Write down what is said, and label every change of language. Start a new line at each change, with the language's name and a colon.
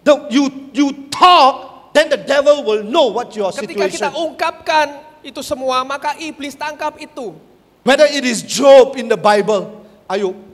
English: You talk, then the devil will know what your situation.
Indonesian: Ketika kita ungkapkan itu semua, maka iblis tangkap itu.
English: Whether it is Job in the Bible, Ayub.